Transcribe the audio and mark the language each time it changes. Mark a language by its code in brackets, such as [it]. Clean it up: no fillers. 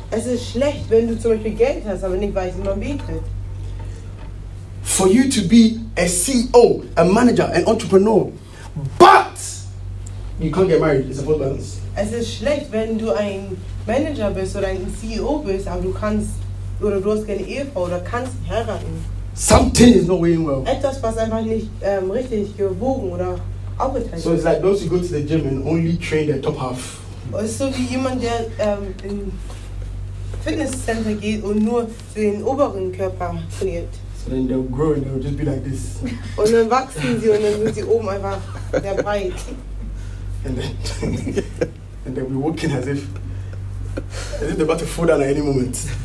[de] Es ist schlecht, wenn du zum Beispiel Geld hast, aber nicht weißt, wie man betet. [en] For you to be a CEO, a manager, an entrepreneur. But you can't get married. It's a false balance. [de] Es ist schlecht, wenn du ein Manager bist oder ein CEO bist, aber du kannst oder du hast keine Ehefrau oder kannst heiraten. [en] something is not going well. [de] Etwas, was einfach nicht richtig gewogen oder aufgeteilt. [en] So it's like those who go to the gym and only train their top half. [de] So wie jemand, der in Fitnesscenter geht und nur den oberen Körper trainiert. [en] So then they'll grow and they'll just be like this. [de] Und dann wachsen sie und dann sind sie oben einfach sehr breit. [en] And then and they'll be walking as if they're about to fall down at any moment.